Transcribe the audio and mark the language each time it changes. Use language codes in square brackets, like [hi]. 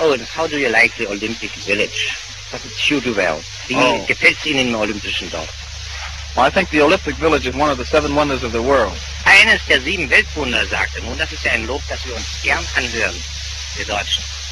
[en] Owens, how do you like the Olympic Village? Doesn't suit you well. [de] Gefällt Ihnen Olympischen Dorf? [en] Well, I think the Olympic Village is one of the seven wonders of the world. [de] Eines der sieben Weltwunder, sagte nun. Das ist ja ein Lob, das wir uns gern anhören, wir Deutschen.